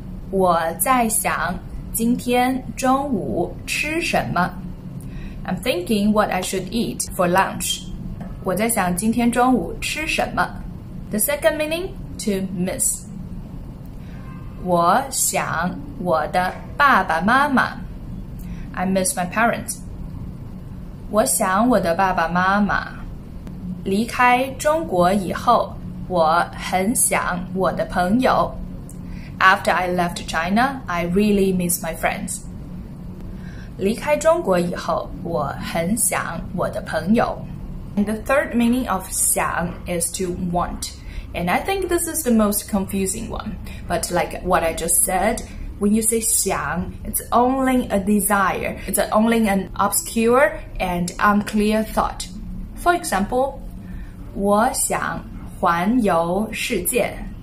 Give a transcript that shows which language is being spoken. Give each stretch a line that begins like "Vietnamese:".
Chinese: 我在想今天中午吃什么.
English: I'm thinking what I should eat for lunch.
Chinese: 我在想今天中午吃什么。
English: The second meaning, to miss.
Chinese: 我想我的爸爸妈妈。
English: I miss my parents.
Chinese: 我想我的爸爸妈妈。离开中国以后,我很想我的朋友。
English: After I left China, I really miss my friends.
Chinese: 离开中国以后,我很想我的朋友。
English: And the third meaning of xiang is to want. And I think this is the most confusing one. But like what I just said, when you say xiang, it's only a desire. It's only an obscure and unclear thought. For example,
Chinese: 我想环游世界.